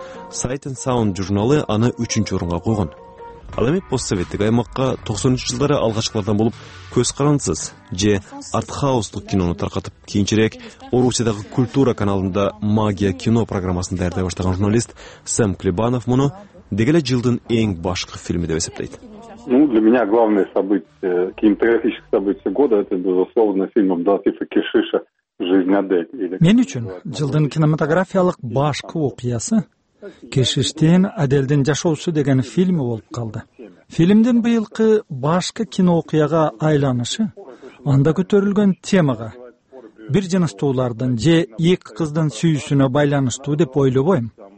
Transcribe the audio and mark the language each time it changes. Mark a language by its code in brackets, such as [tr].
[ky] Sight and Sound журналы аны үчүнчү орунга койгон. Ал эми постсоветтик аймакка 90-жылдары алгачкылардан болуп көз карансыз же артхаустук кинону таркатып, кийинчерээк Орусиядагы Культура каналында магия кино программасын даярдай баштаган журналист Сэм Клебанов муну деги эле жылдын эң башкы фильми деп эсептейт. [ru] Ну, для меня главное событие, кинематографическое событие года, это безусловно фильм Абделатифа Кешиша «Жизнь Адель». [ky] Мен үчүн жылдын кинематографиялык башкы окуясы Кешиштин Аделдин жашоосу деген фильми болуп калды. Фильмдин быйылкы башкы кино окуяга айланышы анда көтөрүлгөн темага бир жыныстуулардын же эки кыздын сүйүүсүнө байланыштуу деп ойлобойм.